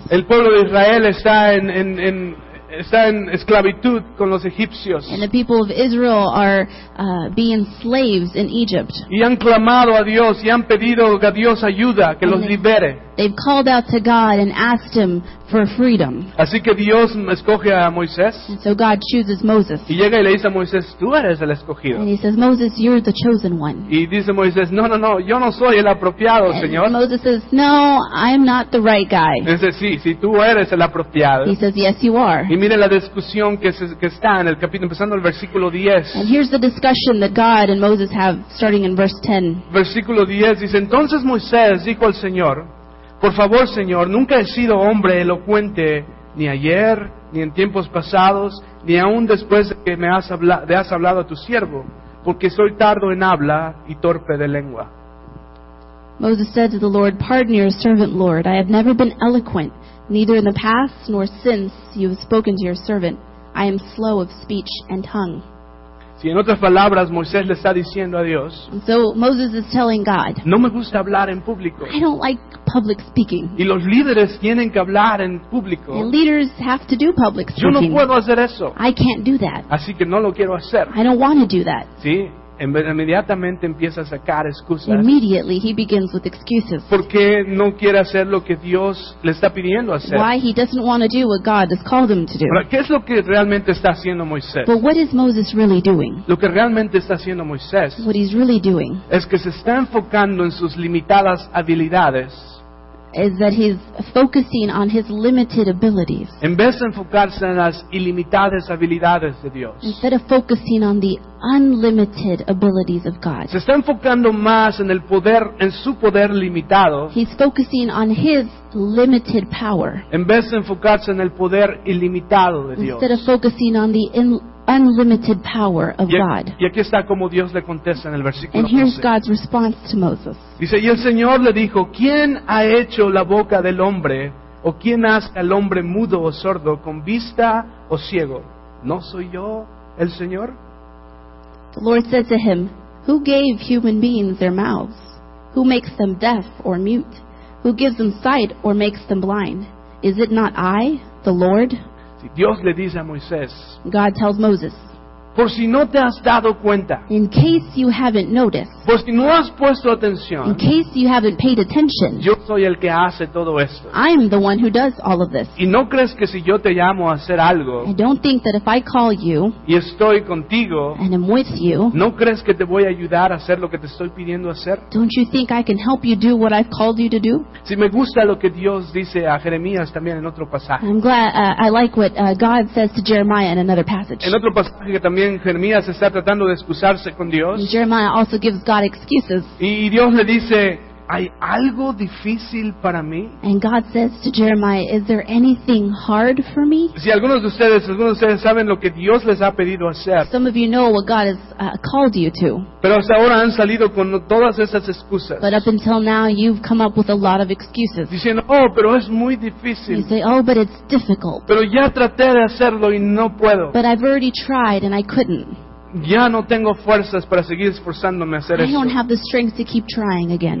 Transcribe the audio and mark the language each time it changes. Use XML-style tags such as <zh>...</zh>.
<es>El pueblo de Israel está en esclavitud con los egipcios.</es> <en>And the people of Israel are being slaves in Egypt.</en> <es>Y han clamado a Dios y han pedido a Dios ayuda, que los libere.</es> <en>They've called out to God and asked Him for freedom.</en> <es>Así que Dios escoge a Moisés.</es> <en>And so God chooses Moses.</en> <es>Y llega y le dice a Moisés, tú eres el escogido.</es> <en>And He says, Moses, you're the chosen one.</en> <es>Y dice Moisés, no, yo no soy el apropiado,</es> <en>and</en> <es>Señor.</es> <en>Moses says, no, I'm not the right guy.</en> <es>Y dice, sí, tú eres el apropiado.</es> <en>He says, yes, you are.</en> <es>Y mire la discusión que está en el capítulo, empezando el versículo 10.</es> <en>And here's the discussion that God and Moses have starting in verse 10.</en> <es>Versículo 10 dice, entonces Moisés dijo al Señor, por favor, Señor, nunca he sido hombre elocuente, ni ayer, ni en tiempos pasados, ni aún después de que me has hablado a tu siervo. porque soy tardo en habla y torpe de lengua.</es> <en>Moses said to the Lord, "Pardon your servant, Lord. I have never been eloquent, neither in the past nor since you have spoken to your servant. I am slow of speech and tongue."</en> <es>Si en otras palabras, Moisés le está diciendo a Dios,</es> <en>so Moses is telling God,</en> <es>no me gusta hablar en público.</es> <en>I don't like public speaking.</en> <es>Y los líderes tienen que hablar en público.</es> <en>And leaders have to do public speaking.</en> <es>Yo no puedo hacer eso.</es> <en>I can't do that.</en> <es>Así que no lo quiero hacer.</es> <en>I don't want to do that.</en> <es>¿Sí? Inmediatamente empieza a sacar excusas.</es> <en>Immediately he begins with excuses.</en> <es>¿Por qué no quiere hacer lo que Dios le está pidiendo hacer?</es> <en>Why he doesn't want to do what God has called him to do.</en> <es>¿Pero qué es lo que realmente está haciendo Moisés?</es> <en>But what is Moses really doing?</en> <es>Lo que realmente está haciendo Moisés,</es> <en>what he's really doing,</en> <es>es que se está enfocando en sus limitadas habilidades.</es> <en>Is that he's focusing on his limited abilities.</en> <es>En vez de enfocarse en las ilimitadas habilidades de Dios.</es> <en>Instead of focusing on the unlimited abilities of God.</en> <es>Se está enfocando más en el poder, en su poder limitado.</es> <en>He's focusing on his limited power.</en> <es>En vez de enfocarse en el poder ilimitado de Dios.</es> <en>Instead of focusing on the unlimited power of God.</en> <es>Y aquí está como Dios le contesta en el versículo 11.</es> <en>And here's God's response to Moses.</en> <es>Dice, y el Señor le dijo, ¿quién ha hecho la boca del hombre, o quién hace al hombre mudo o sordo, con vista o ciego? ¿No soy yo el Señor?</es> <en>The Lord said to him, who gave human beings their mouths? Who makes them deaf or mute? Who gives them sight or makes them blind? Is it not I, the Lord?</en> <es>Dios le dice a Moisés,</es> <en>God tells Moses,</en> <es>por si no te has dado cuenta,</es> <en>in case you haven't noticed,</en> <es>por si no has puesto atención,</es> <en>in case you haven't paid attention,</en> <es>yo soy el que hace todo esto.</es> <en>I'm the one who does all of this.</en> <es>Y no crees que si yo te llamo a hacer algo,</es> <en>I don't think that if I call you,</en> <es>y estoy contigo,</es> <en>and I'm with you,</en> <es>no crees que te voy a ayudar a hacer lo que te estoy pidiendo hacer?</es> <en>Don't you think I can help you do what I've called you to do?</en> <es>Si me gusta lo que Dios dice a Jeremías también en otro pasaje.</es> <en>I'm glad I like what God says to Jeremiah in another passage.</en> <es>En otro pasaje que también Jeremías está tratando de excusarse con Dios.</es> <en>Jeremiah also gives God excuses.</en> <es>Y Dios le dice, ¿hay algo difícil para mí?</es> <en>And God says to Jeremiah, is there anything hard for me?</en> <es>Si algunos de ustedes saben lo que Dios les ha pedido hacer.</es> <en>Some of you know what God has called you to.</en> <es>Pero hasta ahora han salido con todas esas excusas.</es> <en>But up until now, you've come up with a lot of excuses.</en> <es>Diciendo, oh, pero es muy difícil.</es> <en>You say, oh, but it's difficult.</en> <es>Pero ya traté de hacerlo y no puedo.</es> <en>But I've already tried and I couldn't.</en> <es>Ya no tengo fuerzas para seguir esforzándome a hacer esto.</es> <en>I don't have the strength to keep trying again.</en>